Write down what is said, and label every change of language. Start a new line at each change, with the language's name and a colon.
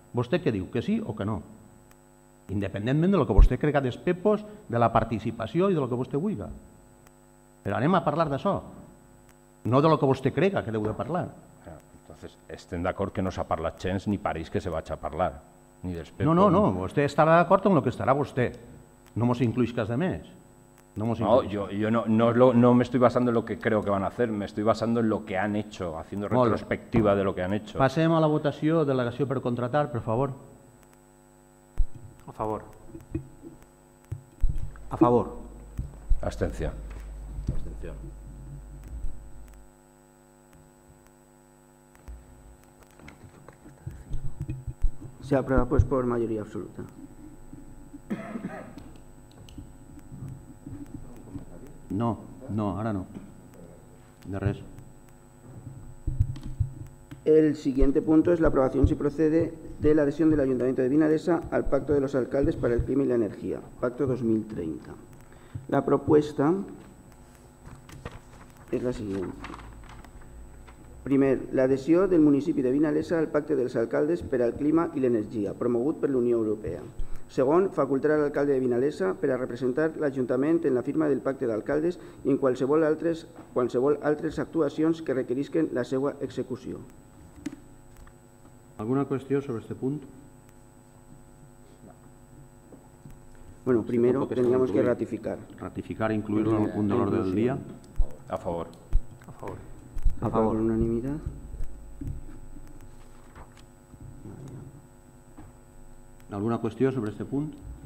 Catalan: Vostè què diu, que sí o que no? Independentment del que vostè crega dels PEPOs, de la participació i del que vostè vulga. Però anem a parlar d'això, no del que vostè crega que deu de parlar. Entonces, estem d'acord que no s'ha parlat gens ni pareix que se vaig a parlar. Ni dels PEPOs. No, vostè estarà d'acord amb el que estarà vostè. No mos incluïs cas de més.
Spanish: No me estoy basando en lo que creo que van a hacer, me estoy basando en lo que han hecho, haciendo retrospectiva de lo que han hecho.
Catalan: Passem a la votació, delegació per contratar, per favor. A favor. A favor. Abstenció. Abstenció.
Spanish: Se aprueba pues por mayoría absoluta.
Catalan: No, ara no. De res.
Spanish: El siguiente punto es la aprobación, si procede, de la adhesión del Ayuntamiento de Vinalesa al Pacto de los Alcaldes para el Clima y la Energía, Pacto 2030. La propuesta es la siguiente. Primer, la adhesión del municipio de Vinalesa al Pacto de los Alcaldes para el Clima y la Energía,
Catalan: promogut per l'Unió Europea. Segon, facultar a l'alcalde de Vinalesa per a representar l'Ajuntament en la firma del pacte d'alcaldes i en qualsevol altres actuacions que requerisquen la seva execució. Alguna qüestió sobre aquest punt?
Spanish: Bueno, primero teníamos que ratificar. Ratificar e incluirlo en el
Catalan: punt de l'ordre del dia. A favor. A favor. A favor. Unanimitat.
Spanish: ¿Alguna cuestión sobre este punto?